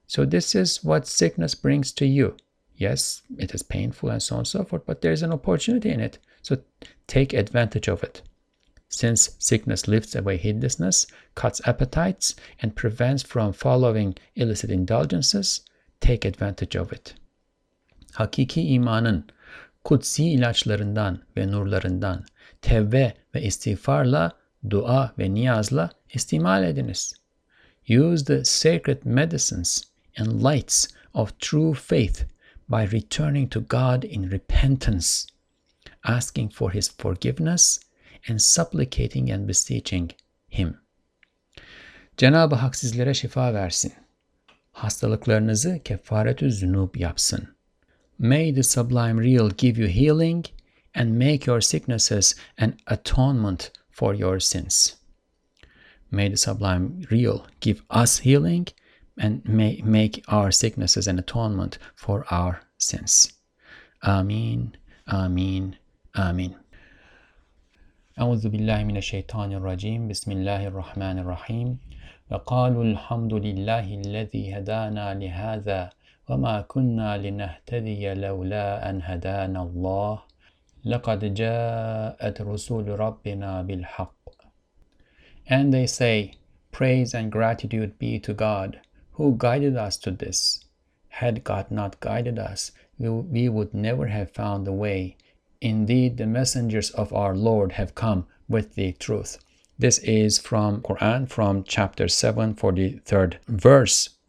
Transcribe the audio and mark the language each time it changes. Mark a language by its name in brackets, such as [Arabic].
[English] So this is what sickness brings to you. Yes, it is painful and so on and so forth, but there is an opportunity in it. So take advantage of it. Since sickness lifts away heedlessness, cuts appetites, and prevents from following illicit indulgences, take advantage of it. [Turkish] Hakiki imanın kutsi ilaçlarından ve nurlarından tevbe ve istiğfarla, dua ve niyazla istimal ediniz. [English] Use the sacred medicines and lights of true faith by returning to God in repentance, asking for His forgiveness and supplicating and beseeching Him. [Turkish] Cenab-ı Hak sizlere şifa versin. Hastalıklarınızı kefaret-ü zünub yapsın. [English] May the sublime real give you healing and make your sicknesses an atonement for your sins. May the sublime real give us healing and make our sicknesses an atonement for our sins. [Turkish] Amin, amin, amin. [Arabic] أعوذ بالله من الشيطان الرجيم بسم الله الرحمن الرحيم وقالوا الحمد لله الذي هدانا لهذا وما كنا لنهتدي لولا أن هدانا الله لقد جاءت رسول ربنا بالحق. [English] And they say, praise and gratitude be to God who guided us to this. Had God not guided us, we would never have found the way. Indeed, the messengers of our Lord have come with the truth. This is from Quran, from chapter 7, 43rd verse.